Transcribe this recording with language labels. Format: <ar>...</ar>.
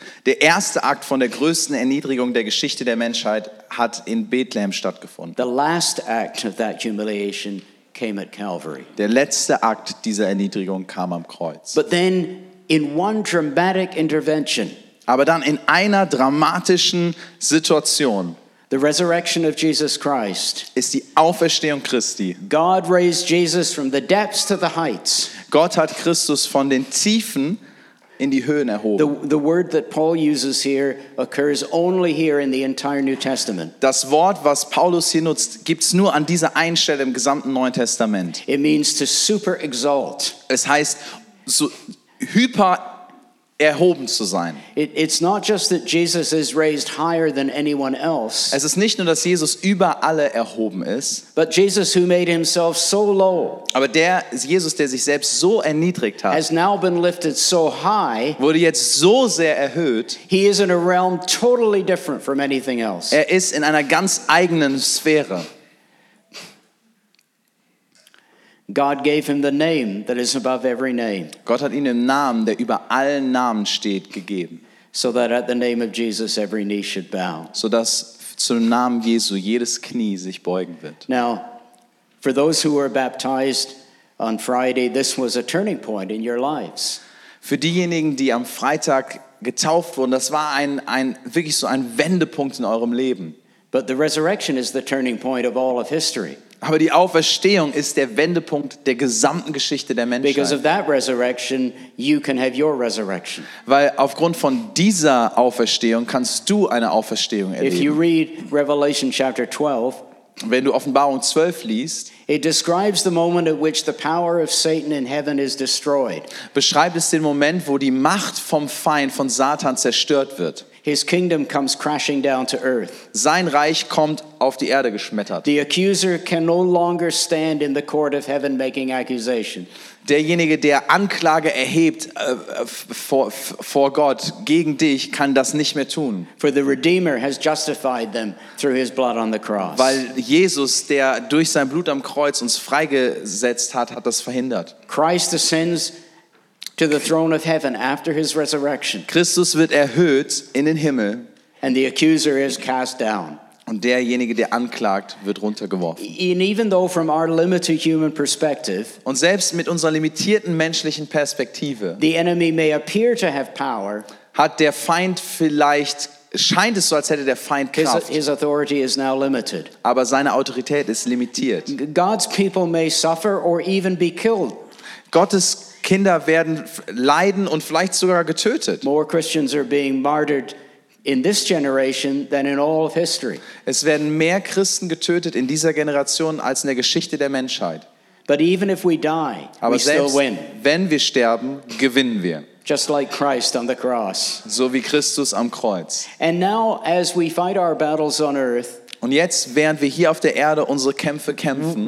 <de>Der erste Akt von der größten Erniedrigung der Geschichte der Menschheit hat in Bethlehem stattgefunden.</de> <en>The last act of that humiliation came at Calvary.</en> <de>Der letzte Akt dieser Erniedrigung kam am Kreuz.</de> <en>But then in one dramatic intervention,</en> <de>aber dann in einer dramatischen Situation,</de> <en>the resurrection of Jesus Christ,</en> <de>ist die Auferstehung Christi.</de> <en>God raised Jesus from the depths to the heights.</en> <de>Gott hat Christus von den Tiefen in die Höhen erhoben.</de> <en>The word that Paul uses here occurs only here in the entire New Testament.</en> <de>Das Wort, was Paulus hier nutzt, gibt's nur an dieser einen Stelle im gesamten Neuen Testament.</de> <en>It means to super exalt.</en> <de>Es heißt so hyper erhoben zu sein.</de> <en>It's not just that Jesus is raised higher than anyone else.</en> <de>Es ist nicht nur, dass Jesus über alle erhoben ist.</de> <en>But Jesus, who made himself so low,</en> <de>aber der ist Jesus, der sich selbst so erniedrigt hat,</de> <en>has now been lifted so high,</en> <de>wurde jetzt so sehr erhöht.</de> <en>He is in a realm totally different from anything else.</en> <de>Er ist in einer ganz eigenen Sphäre.</de> <en>God gave him the name that is above every name.</en> <de>Gott hat ihm den Namen, der über allen Namen steht, gegeben.</de> <en>So that at the name of Jesus every knee should bow.</en> <de>So dass zum Namen Jesu jedes Knie sich beugen wird.</de> <en>Now, for those who were baptized on Friday, this was a turning point in your lives.</en> <de>Für diejenigen, die am Freitag getauft wurden, das war ein wirklich so ein Wendepunkt in eurem Leben.</de> <en>But the resurrection is the turning point of all of history.</en> <de>Aber die Auferstehung ist der Wendepunkt der gesamten Geschichte der Menschheit.</de> <en>Because of that resurrection, you can have your resurrection.</en> <de>Weil aufgrund von dieser Auferstehung kannst du eine Auferstehung erleben.</de> <en>If you read Revelation chapter 12,</en> <de>wenn du Offenbarung 12 liest,</de> <en>it describes the moment at which the power of Satan in heaven is destroyed.</en> <de>Beschreibt es den Moment, wo die Macht vom Feind, von Satan, zerstört wird.</de> <en>His kingdom comes crashing down to earth.</en> <de>Sein Reich kommt auf die Erde geschmettert.</de> <en>The accuser can no longer stand in the court of heaven making accusation.</en> <de>Derjenige, der Anklage erhebt vor Gott gegen dich, kann das nicht mehr tun.</de> <en>For the Redeemer has justified them through his blood on the cross.</en> <de>Weil Jesus, der durch sein Blut am Kreuz uns freigesetzt hat, hat das verhindert.</de> <en>Christ ascends to the throne of heaven after his resurrection.</en> <de>Christus wird erhöht in den Himmel.</de> <en>And the accuser is cast down.</en> <de>Und derjenige, der anklagt, wird runtergeworfen.</de> <en>And even though from our limited human perspective,</en> <de>und selbst mit unserer limitierten menschlichen Perspektive,</de> <en>the enemy may appear to have power,</en> <de>hat der Feind vielleicht, scheint es so, als hätte der Feind Kraft.</de> <en>His authority is now limited.</en> <de>Aber seine Autorität ist limitiert.</de> <en>God's people may suffer or even be killed.</en> <de>Gottes Kinder werden leiden und vielleicht sogar getötet.</de> <en>More Christians are being martyred in this generation than in all of history.</en> <de>Es werden mehr Christen getötet in dieser Generation als in der Geschichte der Menschheit.</de> <en>But even if we die,</en> <de>aber</de> <en>we still win.</en> <de>Wenn wir sterben, gewinnen wir.</de> <en>Just like Christ on the cross.</en> <de>So wie Christus am Kreuz.</de> <en>And now as we fight our battles on earth,</en> <de>und jetzt, während wir hier auf der Erde unsere Kämpfe kämpfen,</de>